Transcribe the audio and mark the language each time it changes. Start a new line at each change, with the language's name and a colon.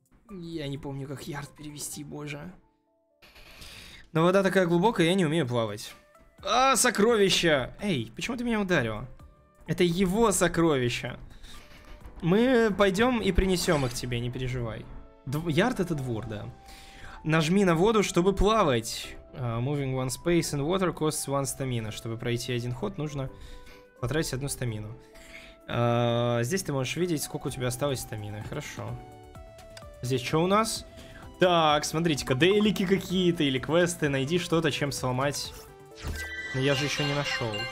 Russian: Я не помню, как ярд перевести, боже. Но вода такая глубокая, я не умею плавать. А, сокровище! Эй, почему ты меня ударила? Это его сокровище. Мы пойдем и принесем их тебе, не переживай. Ярд — это двор, да. Нажми на воду, чтобы плавать.
English: Moving one space in water costs one stamina.
Russian: Чтобы пройти один ход, нужно потратить одну стамину. Здесь ты можешь видеть, сколько у тебя осталось стамины. Хорошо. Здесь что у нас? Так, смотрите-ка, дейлики какие-то или квесты. Найди что-то, чем сломать. Но я же еще не нашел.